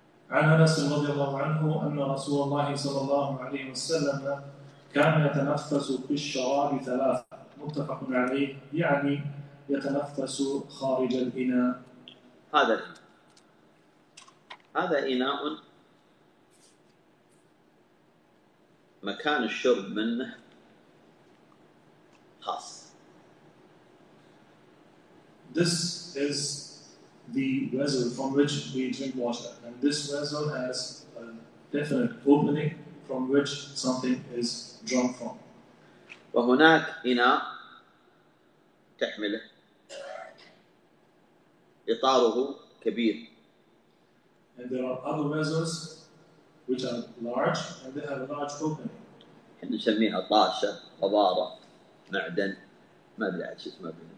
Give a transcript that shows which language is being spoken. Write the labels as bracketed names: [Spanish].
[Arabic] عن أنس رضي الله عنه أن رسول الله صلى الله عليه وسلم كان يتنفس في الشراب ثلاثة متفق عليه يعني يتنفس خارج الإناء. هذا إناء مكان الشرب منه خاص. [English] This is the vessel from which we drink water, and this vessel has a definite opening from which something is drawn from. [Arabic] وهناك إناء تحمله إطاره كبير. [English] And there are other vessels which are large and they have a large opening. [Arabic] إحنا نسميها طاشة، حضارة، معدن، ما أدري عاد شو اسمه.